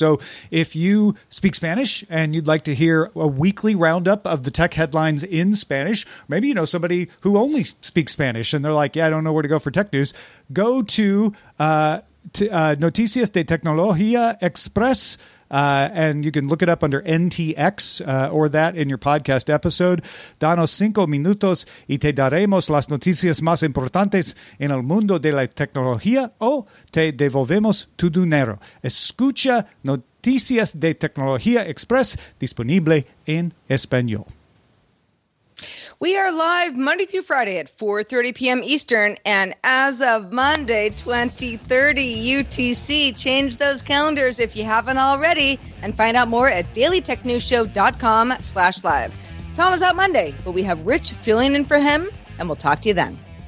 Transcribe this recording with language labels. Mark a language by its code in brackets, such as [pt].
[en] So if you speak Spanish and you'd like to hear a weekly roundup of the tech headlines in Spanish, maybe you know somebody who only speaks Spanish and they're like, yeah, I don't know where to go for tech news. Go to Noticias de Tecnología Express. And you can look it up under NTX or that in your podcast episode. [es] Danos cinco minutos y te daremos las noticias más importantes en el mundo de la tecnología o te devolvemos tu dinero. Escucha Noticias de Tecnología Express, disponible en español. [en] We are live Monday through Friday at 4:30 p.m. Eastern, and as of Monday, 2030 UTC, change those calendars if you haven't already, and find out more at dailytechnewsshow.com/live. Tom is out Monday, but we have Rich filling in for him, and we'll talk to you then.